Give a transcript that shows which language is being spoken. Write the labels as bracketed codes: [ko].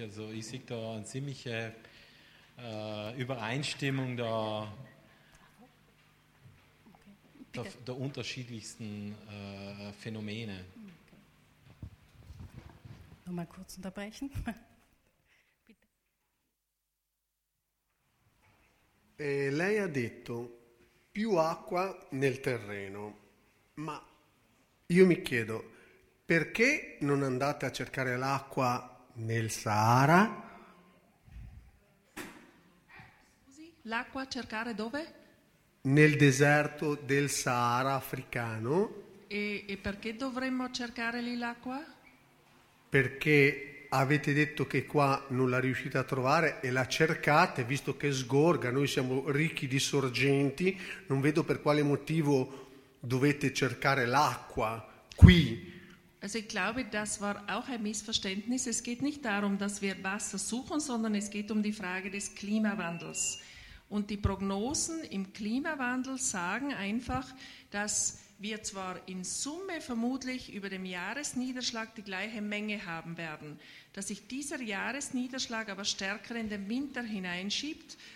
[de] Also ich sehe da eine ziemliche Übereinstimmung der unterschiedlichsten Phänomene. Okay. Nochmal kurz unterbrechen. Bitte. [it] E lei ha detto più acqua nel terreno, ma io mi chiedo perché non andate a cercare l'acqua nel Sahara? Scusi, l'acqua a cercare dove? Nel deserto del Sahara africano. E perché dovremmo cercare lì l'acqua? Perché avete detto che qua non la riuscite a trovare e la cercate, visto che sgorga, noi siamo ricchi di sorgenti, non vedo per quale motivo dovete cercare l'acqua qui. [de] Also ich glaube, das war auch ein Missverständnis. Es geht nicht darum, dass wir Wasser suchen, sondern es geht um die Frage des Klimawandels. Und die Prognosen im Klimawandel sagen einfach, dass wir zwar in Summe vermutlich über dem Jahresniederschlag die gleiche Menge haben werden, dass sich dieser Jahresniederschlag aber stärker in den Winter hineinschiebt.